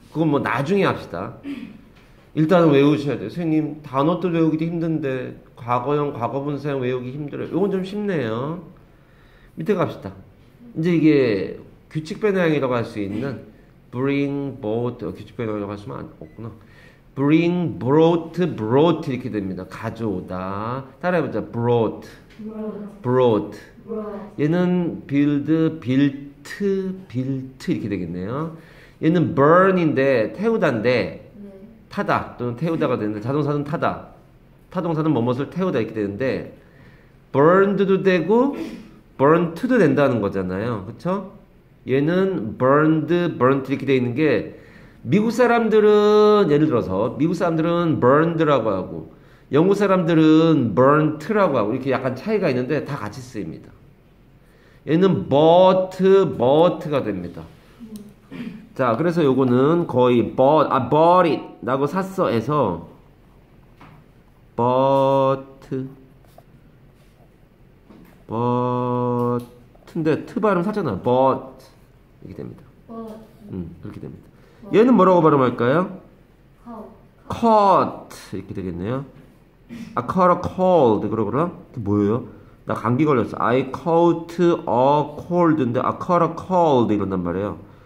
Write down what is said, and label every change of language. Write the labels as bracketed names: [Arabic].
[Korean] 그건 뭐 나중에 합시다. 일단은 외우셔야 돼요. 선생님 단어도 외우기도 힘든데 과거형 과거분사형 외우기 힘들어요. 이건 좀 쉽네요. 밑에 갑시다. 이제 이게 규칙 변화형이라고 할 수 있는 bring, bought 규칙 변화형이라고 할 수는 없구나. [English] Bring, brought, brought [Korean] 이렇게 됩니다. 가져오다. 따라해보자. Brought. [English] Brought. Brought. [Korean] 얘는 build, built, built 이렇게 되겠네요. 얘는 burn인데 태우다인데 타다 또는 태우다가 되는데 자동사는 타다. 타동사는 뭐뭐를 태우다 이렇게 되는데 burned도 되고 burnt도 된다는 거잖아요. 그렇죠? 얘는 burned, burnt 이렇게 돼 있는 게 미국 사람들은 예를 들어서 미국 사람들은 burned라고 하고 영국 사람들은 burnt라고 하고 이렇게 약간 차이가 있는데 다 같이 쓰입니다. 얘는 bought, bought가 됩니다. 자, 그래서 요거는 거의 bought, 아, bought it 라고 샀어 해서 bought, bought인데 t 발음 샀잖아. bought 이렇게 됩니다. [English] bought. [Korean] 그렇게 됩니다. 얘는 뭐라고 발음할까요? [English] caught. [Korean] caught 이렇게 되겠네요. [English] I caught a cold. [Korean] 그러구나. 뭐예요? 나 감기 걸렸어. [English] I caught a cold인데 I caught a cold [Korean] 이런단 말이에요.